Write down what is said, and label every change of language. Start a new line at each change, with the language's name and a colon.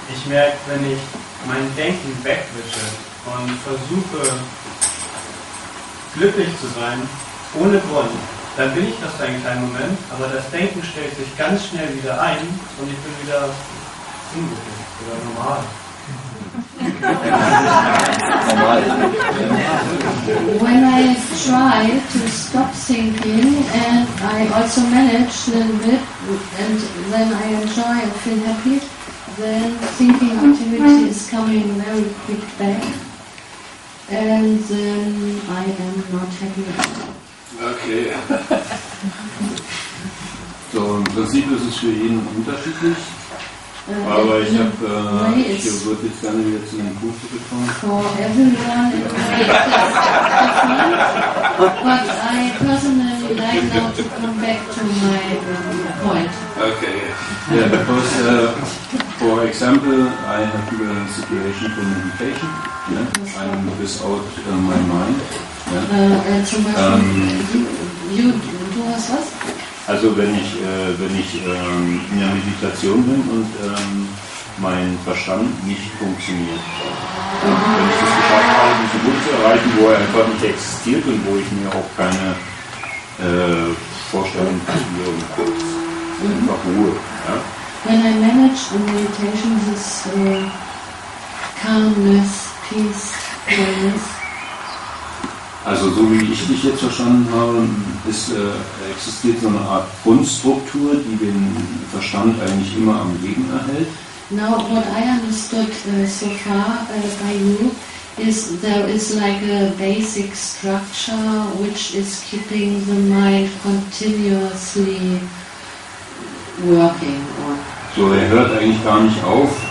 German: Ich merke, wenn ich mein Denken wegwische und versuche, glücklich zu sein, ohne Grund, dann bin ich das für einen kleinen Moment, aber das Denken stellt sich ganz schnell wieder ein und ich bin wieder unglücklich oder normal.
English: When I try to stop thinking and I also manage a little bit and then I enjoy and feel happy, then thinking activity is coming very quick back and then I am not happy. Okay.
German: So im Prinzip ist es für jeden unterschiedlich. Aber ich habe würde jetzt gerne wieder zu einem Punkt bekommen.
English: For everyone it's different. But I personally like now to come back to my point. Okay. Yeah, because for example, I have a situation for meditation. Yeah? I'm without my mind.
German: Yeah? Du hast was? Also wenn ich in der Meditation bin und mein Verstand nicht funktioniert. Und wenn ich das geschafft habe, diesen Punkt zu erreichen, wo er einfach nicht existiert und wo ich mir auch keine Vorstellung kreieren kann. Einfach Ruhe.
English: When I manage the meditation, this calmness, peace, calmness.
German: Also so wie ich dich jetzt verstanden habe, ist, existiert so eine Art Grundstruktur, die den Verstand eigentlich immer am Leben erhält.
English: Now what I understood so far by you is there is like a basic structure which is keeping the mind continuously working. Or
German: so er hört eigentlich gar nicht auf.